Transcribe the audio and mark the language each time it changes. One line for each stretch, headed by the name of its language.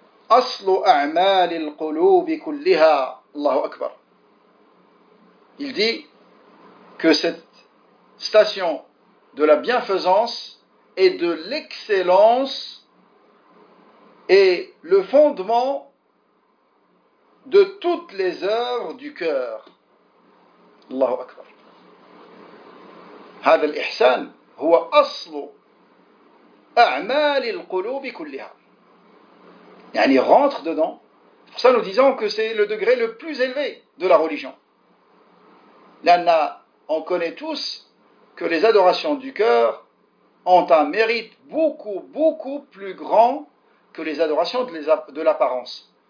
Arabic: أصل أعمال القلوب كلها الله أكبر.
French: Il dit que cette station de la bienfaisance et de l'excellence est le fondement de toutes les œuvres du cœur.
Arabic: الله أكبر. هذا الإحسان هو أصل أعمال القلوب كلها. Yani
French: rentre dedans. C'est pour ça nous disons que c'est le degré le plus élevé de la religion. Là, on connaît tous que les adorations du cœur ont un mérite beaucoup, beaucoup plus grand que les adorations de l'apparence.